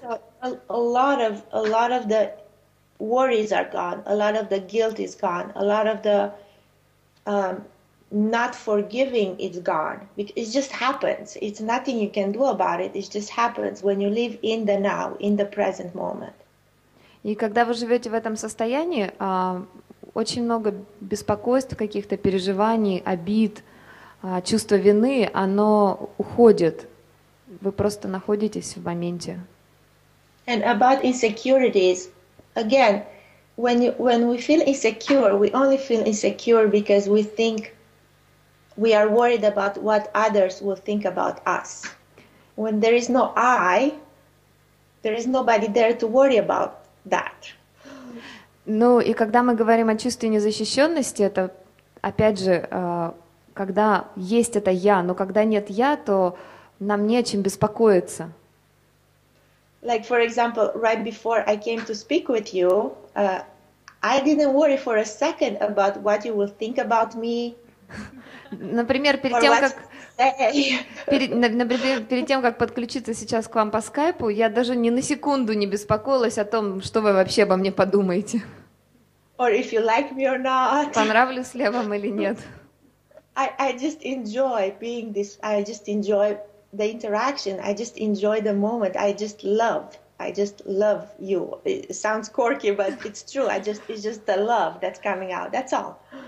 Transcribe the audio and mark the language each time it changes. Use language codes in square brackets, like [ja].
[en] So a lot of the worries are gone, a lot of the guilt is gone, a lot of the not forgiving is gone. It just happens. It's nothing you can do about it. It just happens when you live in the now, in the present moment. [ru] И когда вы живете в этом состоянии, очень много беспокойств, каких-то переживаний, обид, чувство вины, оно уходит. Вы просто находитесь в моменте. [en] And about insecurities, again, when we feel insecure, we only feel insecure because we think we are worried about what others will think about us. When there is no I, there is nobody there to worry about that. [ru] Ну и когда мы говорим о чувстве незащищенности, это опять же, когда есть это я, но когда нет я, то нам не о чем беспокоиться. [en] Like for example, right before I came to speak with you, I didn't worry for a second about what you will think about me. [ru] Например, перед тем, как подключиться сейчас к вам по скайпу, я даже ни на секунду не беспокоилась о том, что вы вообще обо мне подумаете. [en] Or if you like me or not. [ru] Понравлюсь ли я вам или нет. [en] I just enjoy being this, I just enjoy the interaction, I just enjoy the moment, I just love you. It sounds quirky, but it's true. It's just the love that's coming out, that's all.